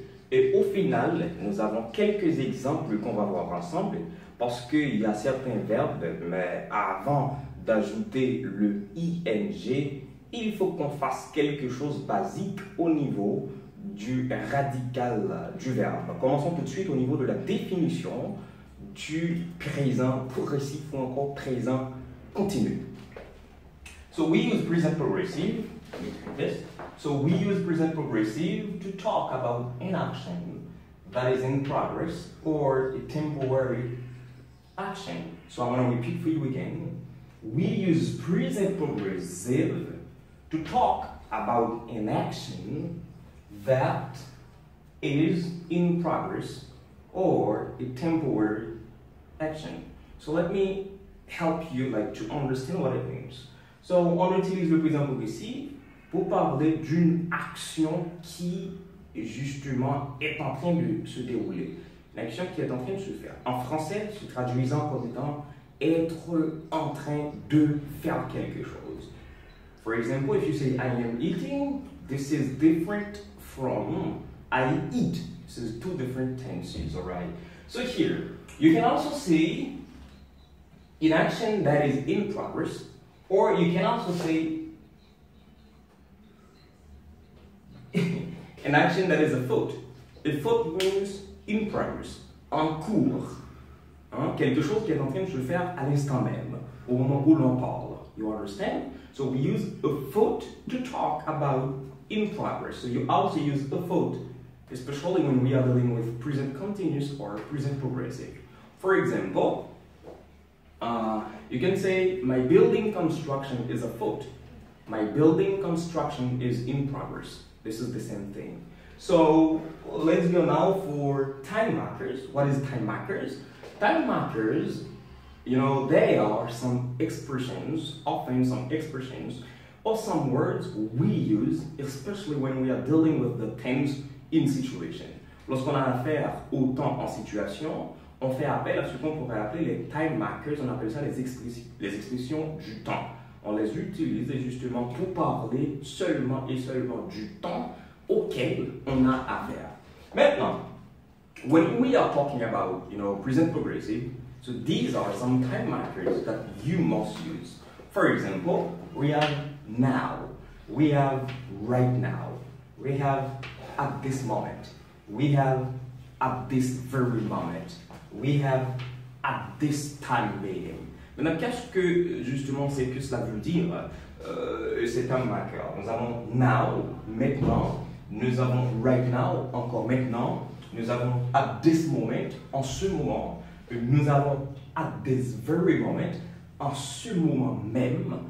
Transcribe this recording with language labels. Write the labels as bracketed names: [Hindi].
[French] Et au final, nous avons quelques exemples qu'on va voir ensemble, parce qu'il y a certains verbes, mais avant d'ajouter le ing, il faut qu'on fasse quelque chose de basique au niveau du radical du verbe. Commençons tout de suite au niveau de la définition du présent progressif ou encore présent continu. [English] So we use present progressive, to talk about an action that is in progress or a temporary action. So I'm going to repeat for you again. We use present progressive to talk about an action that is in progress or a temporary action. So let me help you to understand what it means. [French] So, on utilise le présent progressif pour parler d'une action qui, justement, est en train de se dérouler. Une action qui est en train de se faire. En français, se traduisant comme étant être en train de faire quelque chose. [English] For example, if you say I am eating, this is different from I eat. This is two different tenses, alright? So here, you can also see an action that is in progress. Or you can also say an action that is afoot. Afoot means in progress, [French] en cours. Hein? Quelque chose qui est en train de se faire à l'instant même, au moment où l'on parle. [English] You understand? So we use afoot to talk about in progress. So you also use afoot, especially when we are dealing with present continuous or present progressive. For example, you can say, my building construction is afoot. My building construction is in progress. This is the same thing. So, let's go now for time markers. What is time markers? Time markers, you know, they are some expressions, often some expressions, or some words we use, especially when we are dealing with the tense in situation. [French] Lorsqu'on a affaire au temps en situation, on fait appel à ce qu'on pourrait appeler les time markers, on appelle ça les expressions du temps. On les utilise justement pour parler seulement et seulement du temps auquel on a affaire. Maintenant, [English] when we are talking about, you know, present progressive, so these are some time markers that you must use. For example, we have now, we have right now, we have at this moment, we have at this very moment. We have at this time being. [French] Maintenant, qu'est-ce que justement c'est que cela veut dire, ces time markers? Nous avons [English] now, [French] maintenant. Nous avons [English] right now, [French] encore maintenant. Nous avons [English] at this moment, [French] en ce moment. Nous avons [English] at this very moment, [French] en ce moment même.